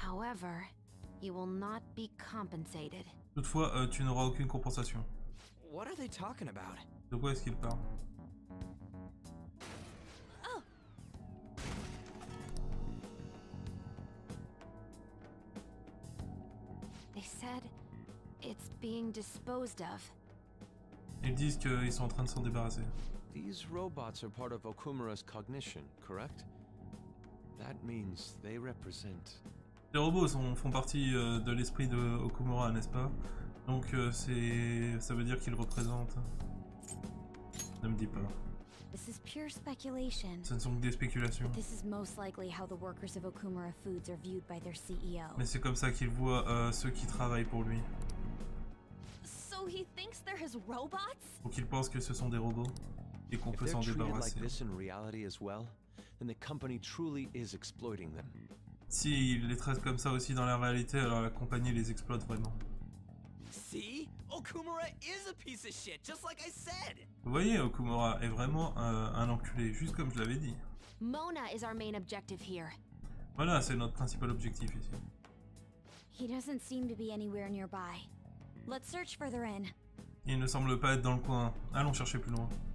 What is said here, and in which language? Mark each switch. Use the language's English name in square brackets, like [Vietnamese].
[English] However, you will not be compensated. [French] Toutefois, tu n'auras aucune compensation. [English] What are they talking about? [French] De quoi est-ce qu'ils parlent? [English] They said it's being disposed of. [French] Ils disent qu'ils sont en train de s'en débarrasser. [English] These robots are part of Okumura's cognition, correct? That means they represent... [French] Les robots sont, font partie de l'esprit de Okumura, n'est-ce pas? Donc ça veut dire qu'ils représentent. Ne me dis pas. [English] This is pure speculation. [French] Ce ne sont que des spéculations. [English] This is most likely how the workers of Okumura Foods are viewed by their CEO. [French] Mais c'est comme ça qu'ils voient ceux qui travaillent pour lui. [English] So he thinks they're his robots? [French] Donc il pense que ce sont des robots et qu'on [English] If [French] peut s'en débarrasser. [English] Like this in reality as well, and the company truly is exploiting them. [French] Si ils les traitent comme ça aussi dans la réalité, alors la compagnie les exploite vraiment. [English] See? Okumura is a piece of shit, just like I said. [French] Vous voyez, Okumura est vraiment un enculé, juste comme je l'avais dit. [English] Mona is our main objective here. [French] Voilà, c'est notre principal objectif ici. [English] He doesn't seem to be anywhere nearby. Let's search further in. [French] Il ne semble pas être dans le coin. Allons chercher plus loin.